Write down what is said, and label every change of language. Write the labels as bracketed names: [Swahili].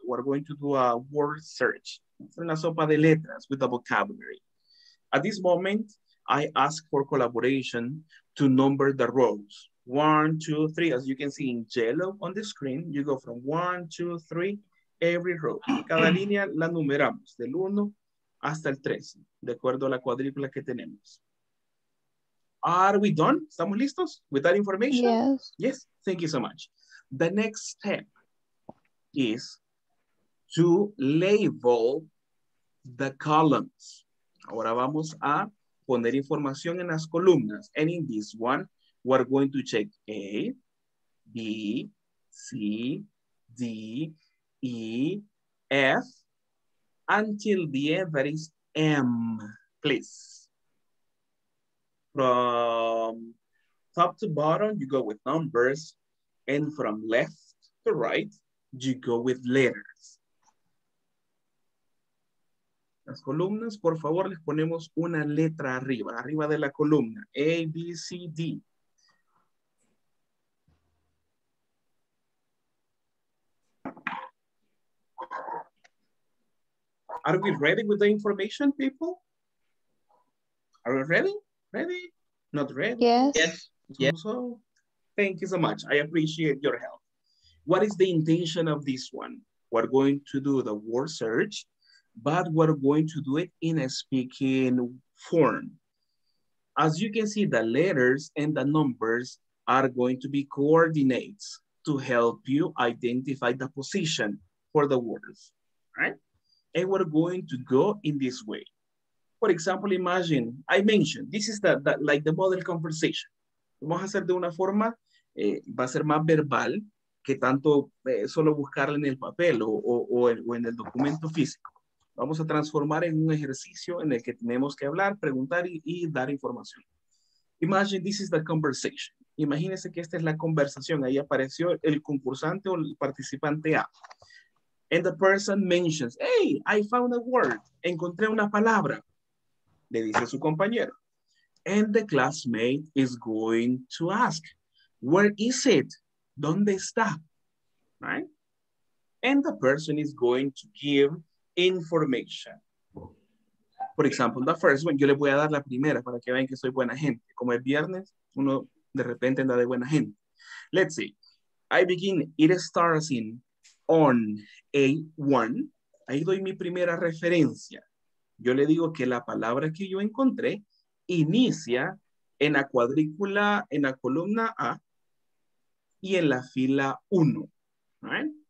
[English] We're going to do a word search. [Spanish] Una sopa de letras [English] with the vocabulary. At this moment, I ask for collaboration to number the rows. 1, 2, 3, as you can see in yellow on the screen, you go from 1, 2, 3, every row. [Spanish] Cada línea la numeramos del 1 hasta el 13, de acuerdo a la cuadrícula que tenemos. [English] Are we done? [Spanish] ¿Estamos listos [English] with that information? Yes. Yes, thank you so much. The next step is to label the columns. [Spanish] Ahora vamos a poner información en las columnas. [English] And in this one, we're going to check A, B, C, D, E, F, until the end, that is M, please. From top to bottom, you go with numbers, and from left to right, you go with letters. [Spanish] Las columnas, por favor, les ponemos una letra arriba, arriba de la columna, A, B, C, D. [English] Are we ready with the information, people? Are we ready? Ready? Not ready? Yes. Yes. So, thank you so much. I appreciate your help. What is the intention of this one? We're going to do the word search, but we're going to do it in a speaking form. As you can see, the letters and the numbers are going to be coordinates to help you identify the position for the words, right? And we're going to go in this way. For example, imagine, I mentioned, this is like the model conversation. [Spanish] Vamos a hacer de una forma, va a ser más verbal que tanto solo buscarla en el papel o en el documento físico. Vamos a transformar en un ejercicio en el que tenemos que hablar, preguntar y dar información. [English] Imagine, this is the conversation. [Spanish] Imagínense que esta es la conversación. Ahí apareció el concursante o el participante A. [English] And the person mentions, hey, I found a word. [Spanish] Encontré una palabra, le dice su compañero. [English] And the classmate is going to ask, where is it? [Spanish] ¿Dónde está? [English] Right? And the person is going to give information. For example, the first one, [Spanish] yo le voy a dar la primera para que vean que soy buena gente. Como es viernes, uno de repente anda de buena gente. [English] Let's see. I begin, it starts in on A1, [Spanish] ahí doy mi primera referencia. Yo le digo que la palabra que yo encontré inicia en la cuadrícula, en la columna A y en la fila 1, right?